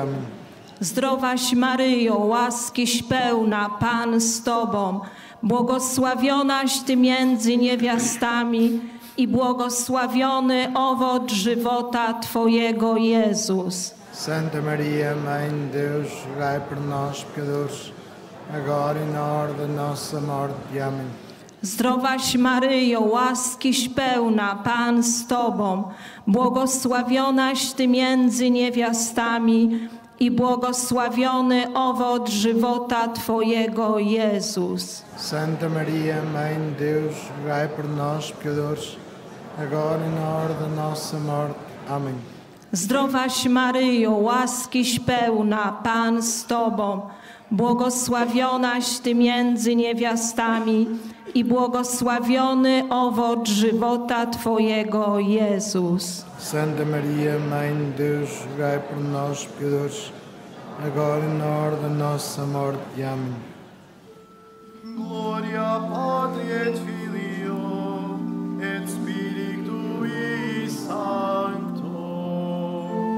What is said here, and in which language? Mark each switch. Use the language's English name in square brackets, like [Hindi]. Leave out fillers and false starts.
[Portuguese] Amém. [Polish] Zdrowaś Maryjo, łaskiś pełna, Pan z Tobą, błogosławionaś Ty między niewiastami i błogosławiony owoc żywota Twojego, Jezus. [Portuguese] Santa Maria, Mãe de Deus, rogai por nós, pecadores, agora e na hora da nossa morte. Amém. [Polish] Zdrowaś Maryjo, łaskiś pełna, Pan z Tobą, błogosławionaś Ty między niewiastami i błogosławiony owoc żywota Twojego, Jezus. [Portuguese] Santa Maria, Mãe de Deus, rogai por nós, pecadores, agora e na hora da nossa morte. Amém. [Polish] Zdrowaś Maryjo, łaskiś pełna, Pan z Tobą, błogosławionaś Ty między niewiastami i błogosławiony owoc żywota Twojego, Jezus. [Portuguese] Santa Maria, Mãe de Deus, rogai por nós, pecadores, agora e na hora da nossa morte. Amém. [Latin] Glória, Padre et Filio, et Spiritu Sancto.